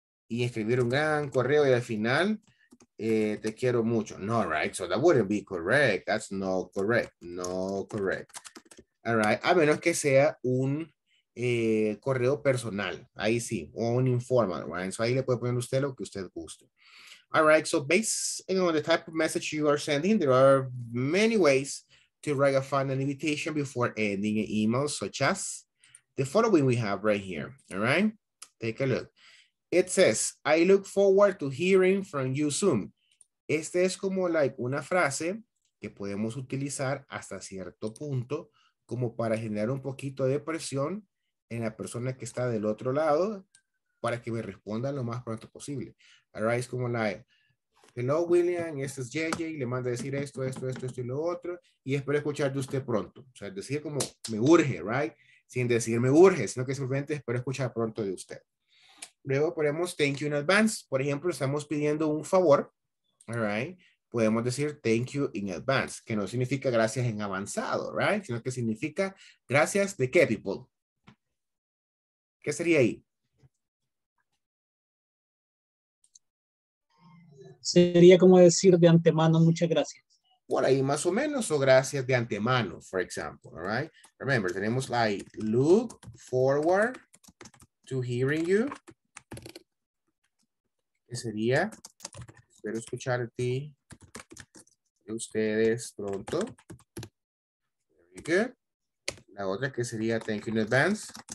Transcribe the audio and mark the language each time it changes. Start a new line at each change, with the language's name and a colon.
Spanish: Y escribir un gran correo y al final, te quiero mucho.
English: No, right? So that wouldn't be correct. That's not correct. No correct. All right.
Spanish: A menos que sea un correo personal. Ahí sí. O un informal, right? So ahí le puede poner usted lo que usted guste.
English: All right. So based on the type of message you are sending, there are many ways to write a final invitation before ending an email, such as the following we have right here. All right. Take a look. It says, I look forward to hearing from you soon.
Spanish: Este es como like una frase que podemos utilizar hasta cierto punto como para generar un poquito de presión en la persona que está del otro lado para que me responda lo más pronto posible. All right, es como like, hello William, este es JJ, le manda decir esto, esto, esto, esto y lo otro, y espero escuchar de usted pronto. O sea, decir como, me urge, right? Sin decir me urge, sino que simplemente espero escuchar pronto de usted. Luego ponemos
English: thank you in advance.
Spanish: Por ejemplo, estamos pidiendo un favor, all right? Podemos decir
English: thank you in advance,
Spanish: que no significa gracias en avanzado, right? Sino que significa gracias de qué, people? ¿Qué sería ahí? Sería como decir de antemano muchas gracias. Por ahí más o menos, o gracias de antemano, for example, all right?
English: Remember, tenemos like look forward to hearing you.
Spanish: ¿Qué sería? Espero escuchar a ti. Ustedes pronto.
English: Very good.
Spanish: La otra que sería
English: thank you in advance.